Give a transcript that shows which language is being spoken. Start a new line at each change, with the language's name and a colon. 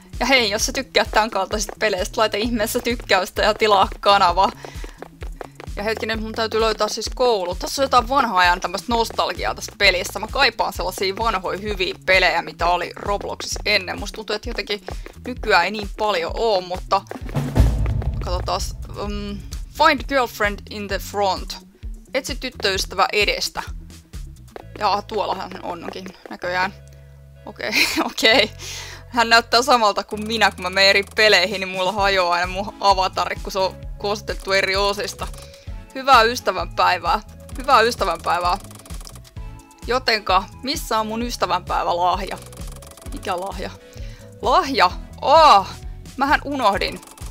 Finnish: Ja hei, jos sä tykkäät tämän kaltaisista peleistä, laita ihmeessä tykkäystä ja tilaa kanava. Ja hetkinen, mun täytyy löytää siis koulu. Tässä on jotain vanhaa ajan tämmöistä nostalgiaa tässä pelissä. Mä kaipaan sellaisia vanhoja hyviä pelejä, mitä oli Robloxissa ennen. Musta tuntuu, että jotenkin nykyään ei niin paljon oo, mutta... Katsotaas.
English: Find girlfriend in the front.
Finnish: Etsi tyttöystävä edestä. Jaa, tuollahan onkin näköjään. Okei. Hän näyttää samalta kuin minä, kun mä menen eri peleihin, niin mulla hajoaa aina mun avatari, kun se on koostettu eri osista. Hyvää ystävänpäivää. Hyvää ystävänpäivää. Jotenka, missä on mun ystävänpäivälahja? Mikä lahja? Lahja? Mähän unohdin.